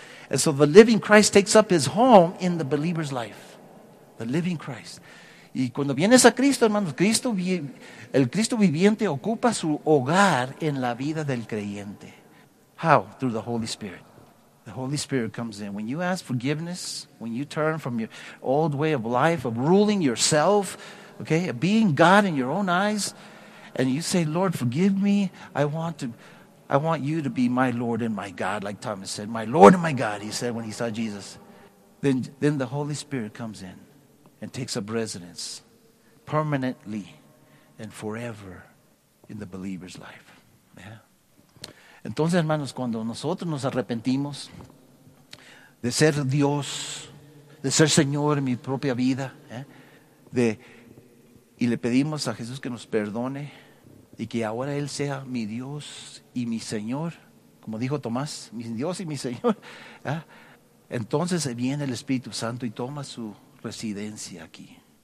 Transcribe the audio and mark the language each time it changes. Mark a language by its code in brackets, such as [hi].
[en] And so the living Christ takes up his home in the believer's life. The living Christ. [es] Y cuando vienes a Cristo, hermanos, Cristo, el Cristo viviente ocupa su hogar en la vida del creyente. [en] How? Through the Holy Spirit. The Holy Spirit comes in. When you ask forgiveness, when you turn from your old way of life, of ruling yourself, okay, of being God in your own eyes, and you say, Lord, forgive me. I want you to be my Lord and my God, like Thomas said. My Lord and my God, he said when he saw Jesus. Then the Holy Spirit comes in and takes up residence permanently and forever in the believer's life. Yeah. [es] Entonces, hermanos, cuando nosotros nos arrepentimos de ser Dios, de ser Señor en mi propia vida, y le pedimos a Jesús que nos perdone y que ahora Él sea mi Dios y mi Señor, como dijo Tomás, mi Dios y mi Señor, entonces viene el Espíritu Santo y toma su residencia aquí.